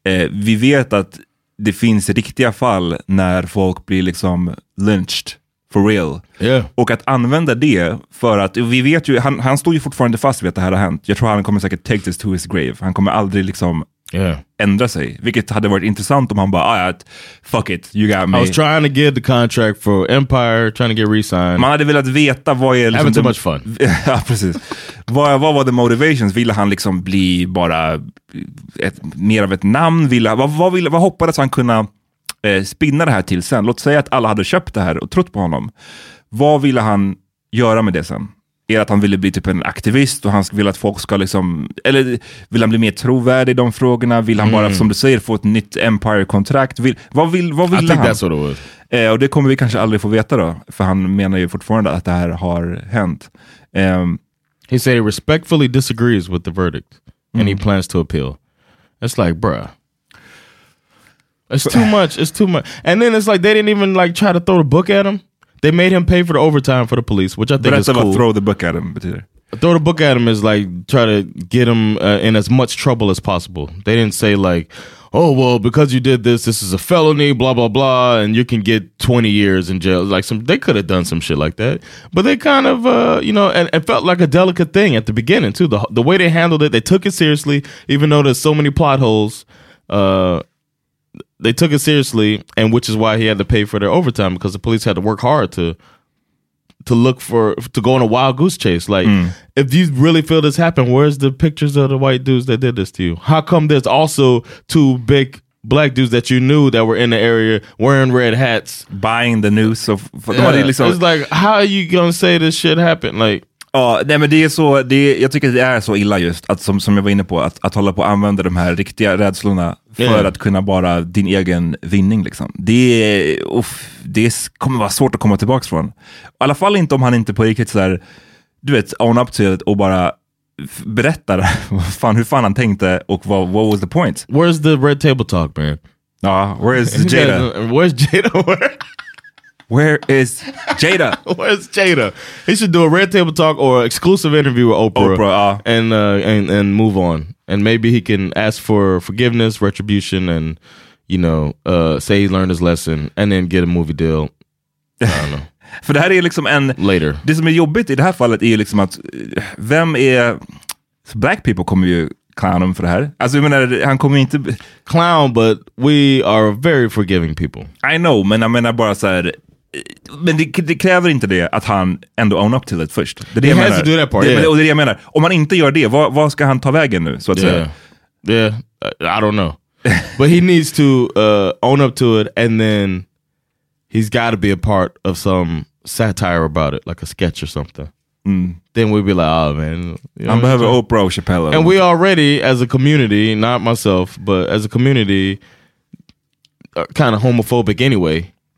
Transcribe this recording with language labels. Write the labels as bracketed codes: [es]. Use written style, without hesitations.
[sv] Vi vet att det finns riktiga fall när folk blir liksom [en] lynched for real. Yeah. [sv] Och att använda det för att, vi vet ju, han står ju fortfarande fast vid att det här har hänt. Jag tror han kommer säkert [en] take this to his grave. [sv] Han kommer aldrig liksom ändra sig. Vilket hade varit intressant om han bara, ja, [en] fuck it, you got me. I was trying to get the contract for Empire, trying to get re-signed. [sv] Man hade velat veta vad är... [en] Liksom, having too much fun. [sv] Ja, precis. vad var [en] the motivations? [sv] Ville han liksom bli bara mer av ett namn? Vad hoppades han kunna spinna det här till sen? Låt säga att alla hade köpt det här och trott på honom. Vad ville han göra med det sen? Är att han ville bli typ en aktivist och han vill att folk ska liksom, eller vill han bli mer trovärdig i de frågorna, vill han bara som du säger få ett nytt empire kontrakt vad vill han? [en] That's what it was. [sv] Och det kommer vi kanske aldrig få veta då, för han menar ju fortfarande att det här har hänt. [en] He said he respectfully disagrees with the verdict and he plans to appeal. It's like, bruh, it's too much. And then it's like they didn't even like try to throw the book at him. They made him pay for the overtime for the police, which I think is cool. Throw the book at him. Throw the book at him is like try to get him in as much trouble as possible. They didn't say like, oh, well, because you did this, this is a felony, blah, blah, blah, and you can get 20 years in jail. Like some, they could have done some shit like that. But they kind of, you know, and it felt like a delicate thing at the beginning, too. The way they handled it, they took it seriously, even though there's so many plot holes. They took it seriously, and which is why he had to pay for their overtime, because the police had to work hard to look for, to go on a wild goose chase. Like, if you really feel this happened, where's the pictures of the white dudes that did this to you? How come there's also two big black dudes that you knew that were in the area wearing red hats? Buying the noose. It's like, how are you going to say this shit happened? Like, [sv] nej, men det är så, jag tycker det är så illa just att som jag var inne på, att hålla på att använda de här riktiga rädslorna för att kunna bara din egen vinning liksom. Det kommer vara svårt att komma tillbaka från. I alla fall inte om han inte på riktigt så här, du vet, own up till det och bara berättar hur fan han tänkte och [en] what was the point? Where's the red table talk, man? Where's Jada? Where's Jada? Where is Jada? He should do a red table talk or an exclusive interview with Oprah. And move on. And maybe he can ask for forgiveness, retribution, and, you know, say he learned his lesson, and then get a movie deal. I don't know. [sv] För det här är liksom en... [en] Later. [sv] Det som är jobbigt i det här fallet är liksom att... Vem är... Black people kommer ju [en] clown him [sv] för det här. Alltså, jag menar, han kommer inte... [en] Clown, but we are very forgiving people. [sv] I know, men jag menar bara så här... Men det kräver inte det att han ändå own up till det först. Det är det jag menar. Och det är det jag menar. Om han inte gör det, vad ska han ta vägen nu, så att säga? [en] Yeah, I don't know. But he needs to own up to it, and then he's got to be a part of some satire about it, like a sketch or something. Then we'd be like, oh man, you know, I'm having Oprah Chappelle. And we already, as a community, not myself, but as a community, are kind of homophobic anyway.